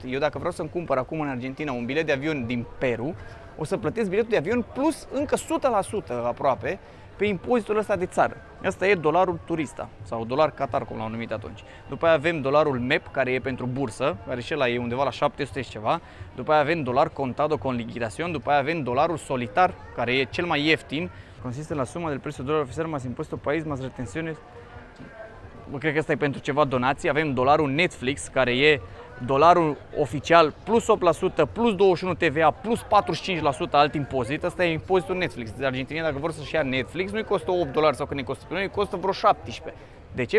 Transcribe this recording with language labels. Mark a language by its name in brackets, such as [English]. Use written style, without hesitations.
[Romanian] Eu dacă vreau să-mi cumpăr acum în Argentina un bilet de avion din Peru, o să plătesc biletul de avion plus încă 100% aproape pe impozitul ăsta de țară. Asta e dolarul turista sau dolar Qatar, cum l-au numit atunci. După aia avem dolarul MEP, care e pentru bursă, care și ăla e undeva la 700 și ceva. După aia avem dolar contado con liquidación. După aia avem dolarul solitar, care e cel mai ieftin. [Spanish] Consiste la suma del precio dólar oficial más impuesto país más retenciones. [Romanian] Cred că asta e pentru ceva donații. Avem dolarul Netflix, care e dolarul oficial plus 8%, plus 21% TVA, plus 45% alt impozit. Asta e impozitul Netflix. De Argentina, dacă vor să-și ia Netflix, nu-i costă $8 sau când îi costă pe noi, îi costă vreo 17. De ce?